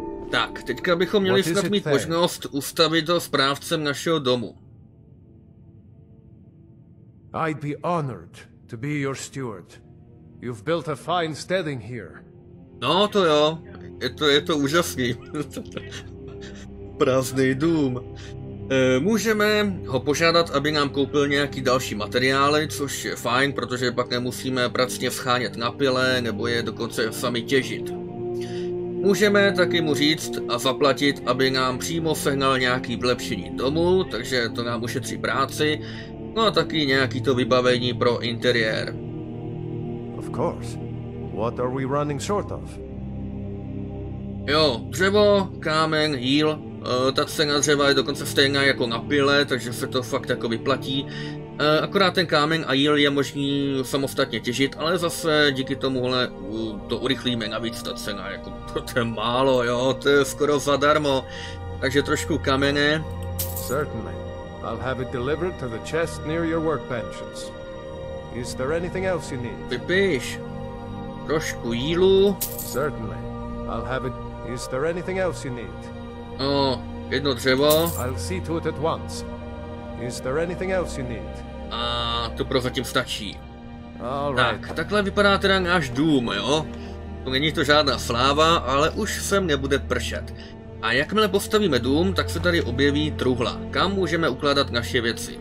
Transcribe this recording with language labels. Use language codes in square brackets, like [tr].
[cs] Tak, teďka bychom měli snad mít možnost ustavit to správcem našeho domu. [en] I'd be honored to be your steward. You've built a fine steading here. [cs] No, to jo. Je to úžasný. Prázdný dům. Můžeme ho požádat, aby nám koupil nějaký další materiály, což je fajn, protože pak nemusíme pracně schánět na pile, nebo je dokonce sami těžit. Můžeme taky mu říct a zaplatit, aby nám přímo sehnal nějaký vylepšení domu, takže to nám ušetří práci. No a taky nějaký to vybavení pro interiér. [en] Of course. What are we running short of? [cs] Jo, dřevo, kámen, jíl, ta cena dřeva je dokonce stejná jako na pile, takže se to fakt jako vyplatí. Akorát ten kámen a jíl je možný samostatně těžit, ale zase díky tomuhle to urychlíme, navíc ta cena, jako to je málo, jo, to je skoro zadarmo. Takže trošku kamene. [en] Certainly. I'll have it delivered to the chest near your workbenches. Is there anything else you need? [cs] Vypíš. Trošku jílu. [en] Certainly. I'll have it. Is there anything else you need? [cs] No, jedno dřevo. [en] I'll see to it at once. Is there anything else you need? [cs] A to prozatím stačí. [en] All [cs] tak, [en] right. [cs] Takhle vypadá teda náš dům, jo? To není to žádná sláva, ale už sem nebude pršet. A jakmile postavíme dům, tak se tady objeví truhla. Kam můžeme ukládat naše věci?